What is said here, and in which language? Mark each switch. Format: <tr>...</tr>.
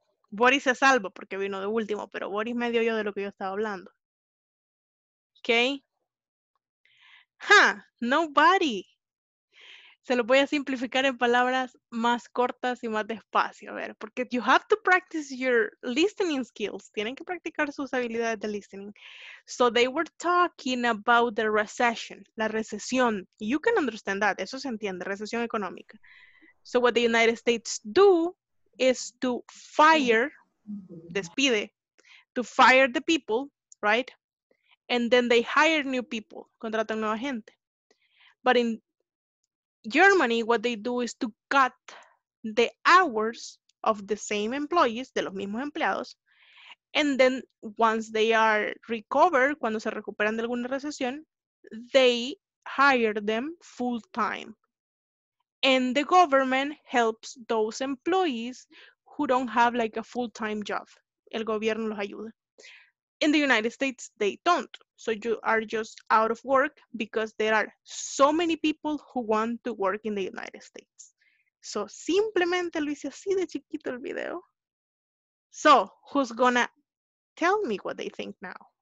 <es>Boris se salva porque vino de último, pero Boris me dio yo de lo que yo estaba hablando. Ok.</es> <en>Huh, nobody.</en> <es>Se lo voy a simplificar en palabras más cortas y más despacio. A ver, porque</es> <en>you have to practice your listening skills.</en> <es>Tienen que practicar sus habilidades de listening.</es> <en>So they were talking about the recession.</en> <es>La recesión.</es> <en>You can understand that.</en> <es>Eso se entiende. Recesión económica.</es> <en>So what the United States do is to fire, despide, to fire the people, right? And then they hire new people,</en> <es>contratan nueva gente.</es> <en>But in Germany, what they do is to cut the hours of the same employees,</en> <es>de los mismos empleados,</es> <en>and then once they are recovered,</en> <es>cuando se recuperan de alguna recesión,</es> <en>they hire them full time. And the government helps those employees who don't have like a full-time job.</en> <es>El gobierno los ayuda.</es> <en>In the United States, they don't. So you are just out of work because there are so many people who want to work in the United States.</en> <es>So simplemente lo hice así de chiquito el video.</es> <en>So who's gonna tell me what they think now?</en>